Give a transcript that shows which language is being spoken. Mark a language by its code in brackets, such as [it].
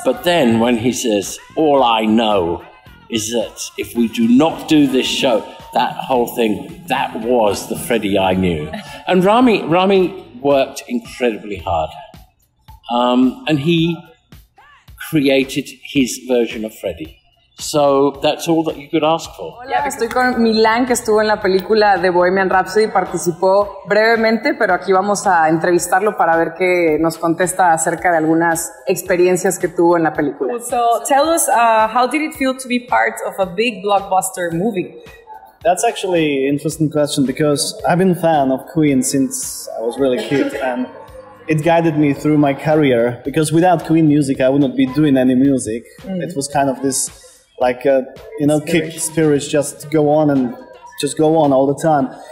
[en] But then when he says, all I know is that if we do not do this show, that whole thing, that was the Freddie I knew. And Rami worked incredibly hard. And he created his version of Freddie. So that's all that you could ask for. [es] Hola, estoy con Milan, que estuvo en la película de Bohemian Rhapsody, participó brevemente, pero aquí vamos a entrevistarlo para ver qué nos contesta acerca de algunas experiencias que tuvo en la película. [en] So tell us, how did it feel to be part of a big blockbuster movie? That's actually an interesting question, because I've been a fan of Queen since I was really kid, and it guided me through my career, because without Queen music, I would not be doing any music. Mm. It was kind of this, like, you know, kick spirits, just go on and just go on all the time.